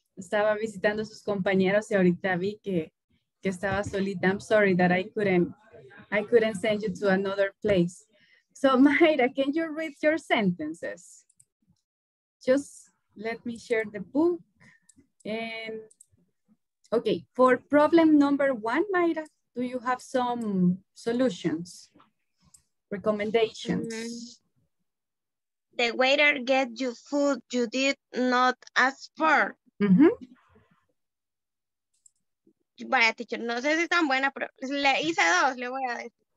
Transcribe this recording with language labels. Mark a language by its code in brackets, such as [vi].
[es] Estaba visitando a sus compañeros y ahorita vi que estaba solita. [en] I'm sorry that I couldn't send you to another place. So, Mayra, can you read your sentences? Just let me share the book. And okay, for problem number one, Mayra, do you have some solutions, recommendations? Mm-hmm. The waiter get you food you did not ask for. Mm-hmm. [es] Vaya, teacher, no sé si es tan buena, pero le hice dos, le voy a decir.